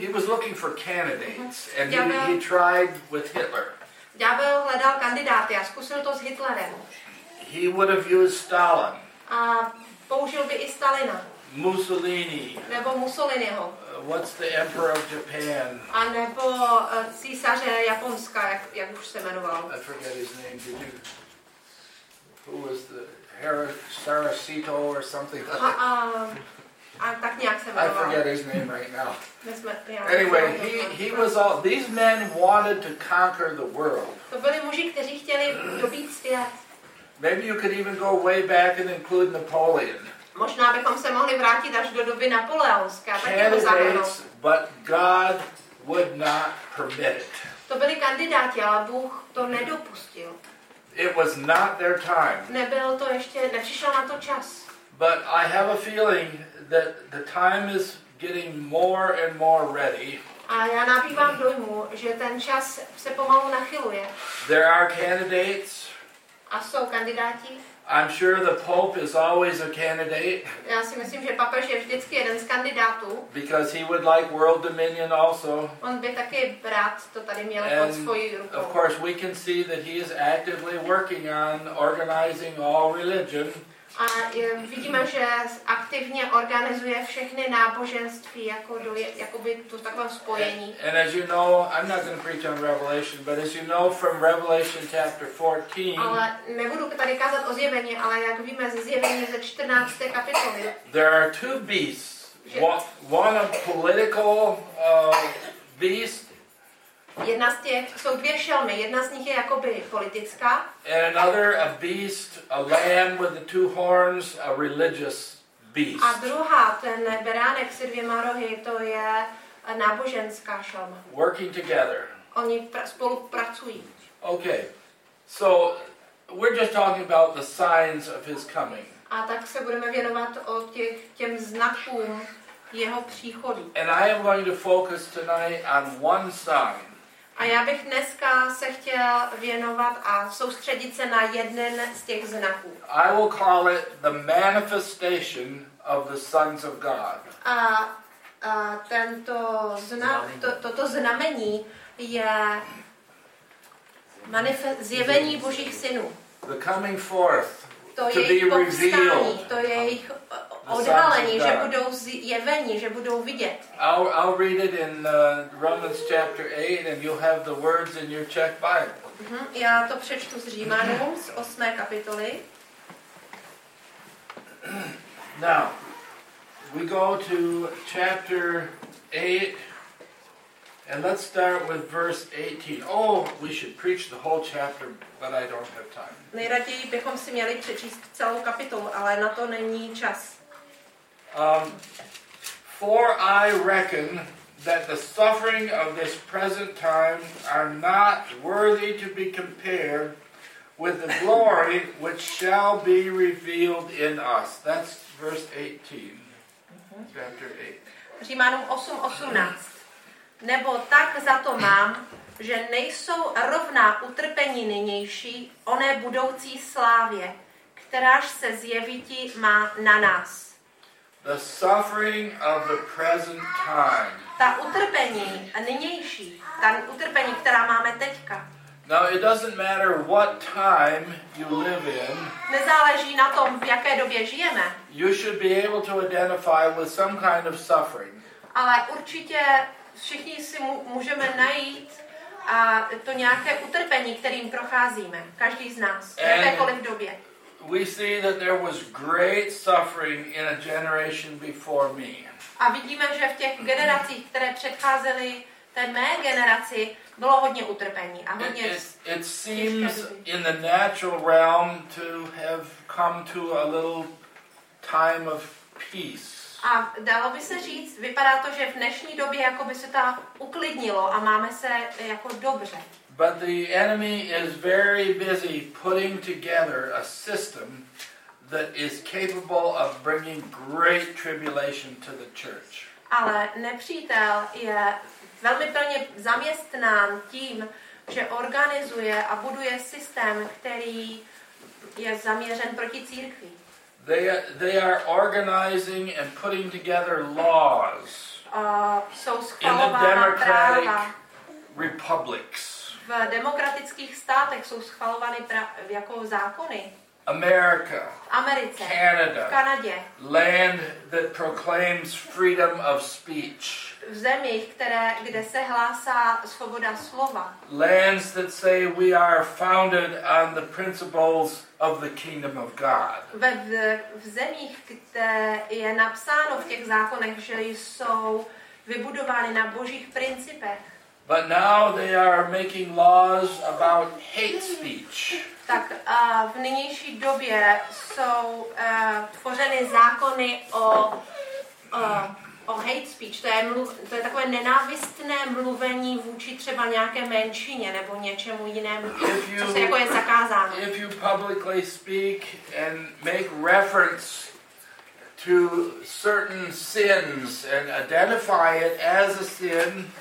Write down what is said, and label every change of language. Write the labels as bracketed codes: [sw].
[en] He was looking for candidates, and he tried with Hitler. [cs] Ďábel hledal kandidáty a zkusil to s Hitlerem. [en] He would have used Stalin. [cs] A použil by i Stalina. [en] Mussolini. [cs] Nebo Mussoliniho. [en] What's the emperor of Japan? [cs] A nebo císaře Japonska, jak už se jmenoval. [en] I forget his name. Did you? Who was the Sarasito or something like that? I forget his name right now. Anyway, he was all. These men wanted to conquer the world. [cs] To byli muži, kteří chtěli dobít svět. [en] Maybe you could even go way back and include Napoleon. [cs] Možná bychom se mohli vrátit až do doby napoleonské. [en] Candidates But God would not permit it. [cs] To byli kandidáti, ale Bůh to nedopustil. [en] It was not their time. [cs] Nebyl to ještě, nepřišel na to čas. [en] But I have a feeling that the time is getting more and more ready. [cs] A já nabývám dojmu, že ten čas se pomalu nachyluje. [en] There are candidates. [cs] A jsou kandidáti. [en] I'm sure the Pope is always a candidate. [cs] Já si myslím, že papež je vždycky jeden z kandidátů. [en] Because he would like world dominion also. [cs] On by taky rád to tady měl pod svojí rukou. [en] Of course, we can see that he is actively working on organizing all religion. [cs] A vidíme, že aktivně organizuje všechny náboženství jako do jakoby to takové spojení. [en] And as you know, I'm not going to preach on Revelation, but as you know from Revelation chapter 14. [cs] Ale nebudu tady kázat o zjevení, ale jak víme ze zjevení ze 14. kapitoly. [en] There are two beasts. One a political beast. [cs] Jedna z těch jsou dvě šelmy, jedna z nich je jakoby politická. [en] And another, a beast, a lamb with the two horns, a religious beast. [cs] A druhá, ten beránek se dvěma rohy, to je náboženská šelma. [en] Working together. [cs] Oni spolupracují. [en] Okay, so we're just talking about the signs of his coming. [cs] A tak se budeme věnovat o těm znakům jeho příchodu. [en] And I am going to focus tonight on one sign. [cs] A já bych dneska se chtěl věnovat a soustředit se na jeden z těch znaků. [en] I will call it the manifestation of the sons of God. [cs] A tento znak, toto znamení je zjevení Božích synů. [en] The coming forth to to be revealed. [cs] To je jejich odhalení, že budou zjeveni, že budou vidět. [en] I'll read it in Romans chapter 8 and you'll have the words in your Czech Bible. [cs] Já to přečtu z Římanů z 8. kapitoly. [en] Now, we go to chapter 8 and let's start with verse 18. Oh, we should preach the whole chapter, but I don't have time. [cs] Nejraději bychom si měli přečíst celou kapitolu, ale na to není čas. [en] For I reckon that the suffering of this present time are not worthy to be compared with the glory which shall be revealed in us. That's verse 18, chapter 8. [cs] Římanům 8:18. Nebo tak za to mám, že nejsou rovná utrpení nynější oné budoucí slávě, kteráž se zjevití má na nás. [en] The suffering of the present time. [cs] Ta utrpení nynější, ta utrpení, která máme teďka. [en] Now it doesn't matter what time you live in. [cs] Nezáleží na tom, v jaké době žijeme. [en] You should be able to identify with some kind of suffering. [cs] Ale určitě všichni si můžeme najít to nějaké utrpení, kterým procházíme, každý z nás, v jakékoliv době. [en] We see that there was great suffering in a generation before me. [cs] A vidíme, že v těch generacích, které předcházely té mé generaci, bylo hodně utrpení a hodně. [en] It seems in the natural realm to have come to a little time of peace. [cs] A dalo by se říct, vypadá to, že v dnešní době jako by se to uklidnilo a máme se jako dobře. [en] But the enemy is very busy putting together a system that is capable of bringing great tribulation to the church. [cs] Ale nepřítel je velmi plně zaměstnán tím, že organizuje a buduje systém, který je zaměřen proti církvi. [en] They are organizing and putting together laws. [cs] Jsou schvalována práva. [en] Republics. [cs] V demokratických státech jsou schvalovány jako zákony. [en] America. [cs] Americe. [en] Canada. [cs] V Kanadě. [en] Land that proclaims freedom of speech. [cs] V zemích, kde se hlásá svoboda slova. [en] Lands that say we are founded on the principles of the kingdom of God. [cs] V zemích, kde je napsáno v těch zákonech, že jsou vybudovány na božích principech. [en] But now they are making laws about hate speech. [cs] Tak v nynější době jsou tvořeny zákony o o hate speech, to je takové nenávistné mluvení vůči třeba nějaké menšině nebo něčemu jinému, co se jako je zakázáno. [en] If you publicly speak and make reference to certain sins and identify it as a sin,